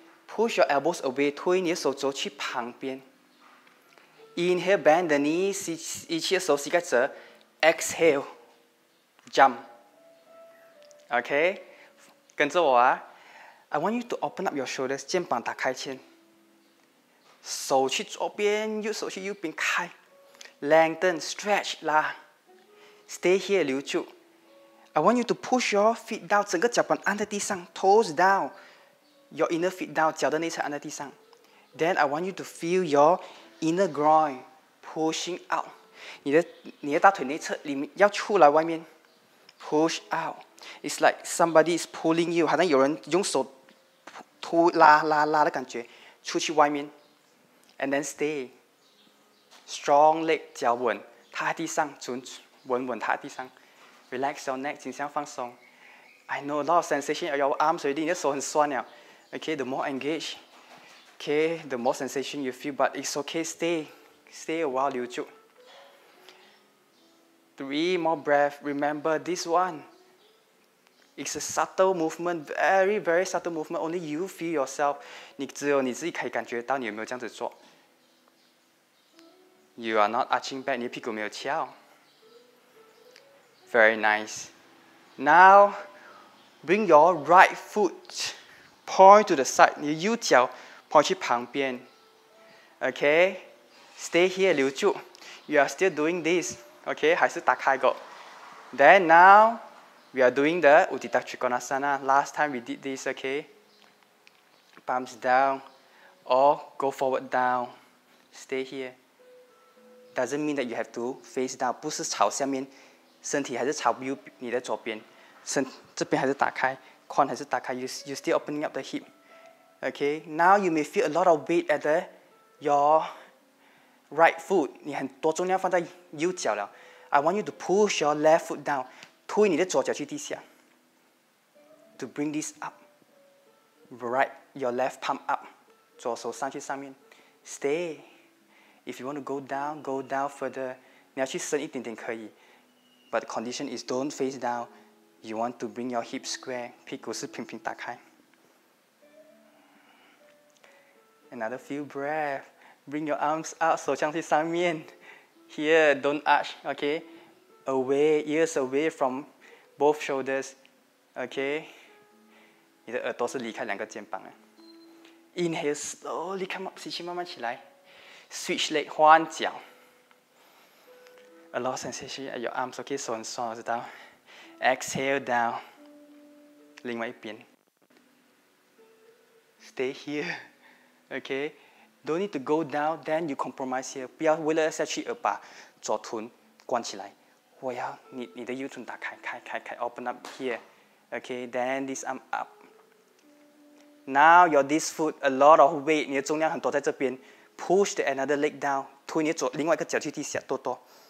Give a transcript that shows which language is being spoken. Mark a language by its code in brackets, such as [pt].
[en] Push your elbows away, [zh] 推你的手肘去旁边. [en] Inhale, bend the knees, [zh] 一起的手膝盖折, [en] exhale, jump. Okay? [zh] 跟着我啊. [en] I want you to open up your shoulders, [zh] 肩膀打开前. 手去左边, 右手去右边开. [en] Lengthen, stretch, 拉.Stay here, [zh] 留住. [en] I want you to push your feet down, [zh] 整个脚板按在地上, [en] toes down. Your inner feet down, [zh] 脚的内侧按在地上. [en] Then I want you to feel your inner groin pushing out. [zh] 你的大腿内侧里面要出来外面. [en] Push out. It's like somebody is pulling you, [zh] 好像有人用手拖拉拉拉的感觉, 出去外面. [en] And then stay. Strong leg, [zh] 脚稳, 踏地上, 准稳稳, 踏地上. [en] Relax your neck, [zh] 尽量放松. [en] I know a lot of sensation in your arms already, [zh] 你的手很酸了. [en] Okay, the more engaged, okay, the more sensation you feel, but it's okay, stay a while, [zh] 留住. [en] Three more breath. Remember this one. It's a subtle movement, very, very subtle movement, only you feel yourself. [zh] 你只有你自己可以感觉到你有没有这样子做. [en] You are not arching back, [zh] 你的屁股没有翘. [en] Very nice. Now, bring your right foot point to the side, [zh] 你的右脚 point 去旁边. [en] Okay? Stay here, [zh] 留住. [en] You are still doing this. Okay? [zh] 还是打开过. [en] Then now, we are doing the Uddita Trikonasana. Last time we did this, okay? Palms down. Or go forward down. Stay here. Doesn't mean that you have to face down. [zh] 不是朝下面, 身体还是朝右你的左边. 这边还是打开. [en] You're still opening up the hip. Okay, now you may feel a lot of weight at your right foot. [zh] 你很多重量放在右脚了. [en] I want you to push your left foot down. [zh] 推你的左脚去地下. [en] To bring this up. Right, your left palm up. [zh] 左手上去上面. [en] Stay. If you want to go down further. [zh] 你要去伸一点点可以. [en] But the condition is don't face down. You want to bring your hips square, [zh] 屁股是平平打开. [en] Another few breath. Bring your arms up, [zh] 手向去上面. [en] Here, don't arch, okay? Away, ears away from both shoulders, okay? [zh] 你的耳朵是离开两个肩膀的. [en] Inhale, slowly come up, [zh] 吸气慢慢起来. [en] Switch leg, [zh] 换脚. [en] A lot of sensation at your arms, okay? [zh] 手很酸，我知道. [en] Exhale down. [zh] 另外一边. [en] Stay here. Okay? Don't need to go down, then you compromise here. [zh] 不要为了下去而把左臀关起来. 我要你的右臀打开, [en] open up here. Okay? Then this arm up. Now your this foot, a lot of weight, [zh] 你的重量很多在这边. [en] Push the another leg down. [zh] 推你的另外一个脚去地下多多.